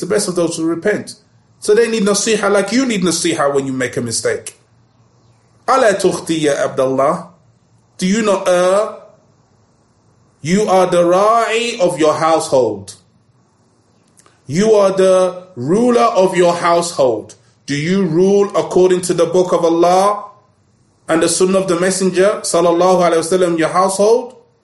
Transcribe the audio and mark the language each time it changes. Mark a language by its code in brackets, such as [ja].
[en] The best of those who repent. So they need nasiha like you need nasiha when you make a mistake. [ar] أَلَا تُخْتِي يَا Abdullah. [en] Do you not err? You are the ra'i of your household. You are the ruler of your household. Do you rule according to the book of Allah and the sunnah of the Messenger sallallahu alaihi wasallam, your household?